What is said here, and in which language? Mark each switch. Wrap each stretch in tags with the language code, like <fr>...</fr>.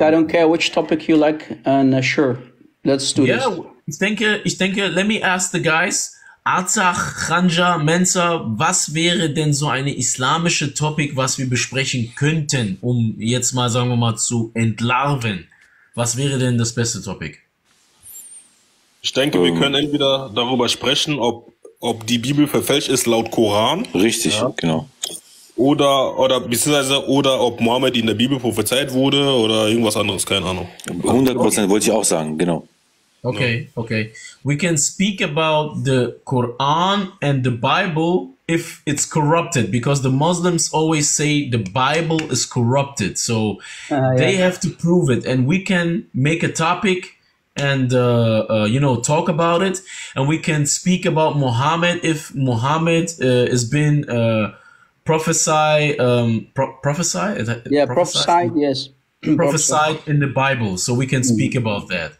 <en>I don't care which topic you like, and let's do this.</en> <de>Ich denke.</de> <en>Let me ask the guys.</en> <de>Arzach, Khanja, Mensa, was wäre denn so eine islamische Topic, was wir besprechen könnten, um jetzt mal sagen wir mal zu entlarven? Was wäre denn das beste Topic? Ich denke, wir können entweder darüber sprechen, ob die Bibel verfälscht ist laut Koran. Richtig, genau. Oder ob Mohammed in der Bibel prophezeit wurde oder irgendwas anderes, keine Ahnung. 100% wollte ich auch sagen, genau.</de> <en>Okay. We can speak about the Quran and the Bible if it's corrupted, because the Muslims always say the Bible is corrupted, so they have to prove it, and we can make a topic and you know, talk about it, and we can speak about Muhammad, if Muhammad has been prophesied in the Bible, so we can speak about that.</en>